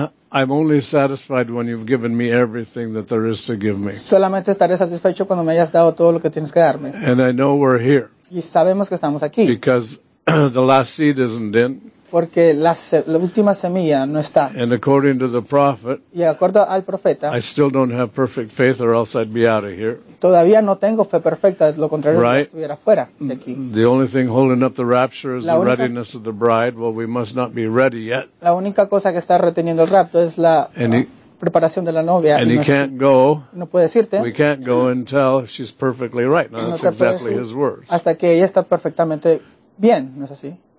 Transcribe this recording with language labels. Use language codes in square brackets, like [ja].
[en] I'm only satisfied when you've given me everything that there is to give me. [es] Solamente estaré satisfecho cuando me hayas dado todo lo que tienes que darme. [en] And I know we're here. [es] Y sabemos que estamos aquí. [en] Because the last seed isn't in. [es] Porque la última semilla no está. [en] And according to the prophet, [es] y acuerdo al profeta, [en] I still don't have perfect faith or else I'd be out of here. [es] Todavía no tengo fe perfecta, lo contrario, [en] right? [es] Si estuviera fuera de aquí. [en] The only thing holding up the rapture is the readiness of the bride. Well, we must not be ready yet. [es] La única cosa que está reteniendo el rapto es la preparación de la novia. [en] And he can't go. [es] No puedes irte. [en] We can't go until she's perfectly right. Now, that's exactly his words. [es] Hasta que ella está perfectamente bien, ¿no es así?